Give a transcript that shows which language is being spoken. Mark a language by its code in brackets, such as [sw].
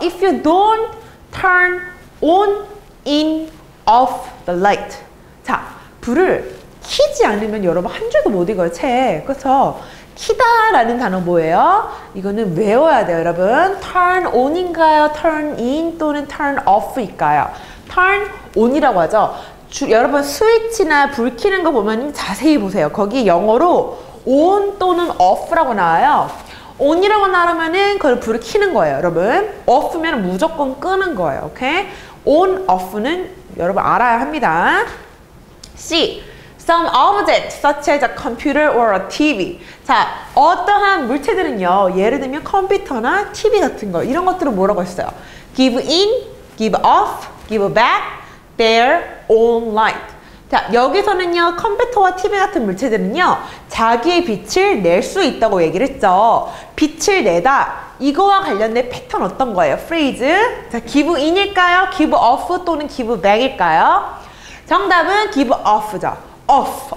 [en] If you don't turn on in off the light. [ko] 자, 불을 키지 않으면 여러분 한 줄도 못 읽어요, 책. 그쵸? 키다 라는 단어 뭐예요? 이거는 외워야 돼요, 여러분. turn on인가요? turn in 또는 turn off일까요? turn on이라고 하죠. 여러분 스위치나 불 키는 거 보면 자세히 보세요. 거기 영어로 on 또는 off라고 나와요. on이라고 나오면은 그걸 불을 켜는 거예요, 여러분. off면 무조건 끄는 거예요, 오케이? on, off는 여러분 알아야 합니다. C. [en] Some objects such as a computer or a TV. [ko] 자, 어떠한 물체들은요, 예를 들면 컴퓨터나 TV 같은 거, 이런 것들은 뭐라고 했어요? [en] give in, give off, give back their own light. [ko] 자, 여기서는요, 컴퓨터와 TV 같은 물체들은요, 자기의 빛을 낼 수 있다고 얘기를 했죠. 빛을 내다. 이거와 관련된 패턴 어떤 거예요? phrase. 자, give in일까요? give off 또는 give back일까요? 정답은 give off죠. off.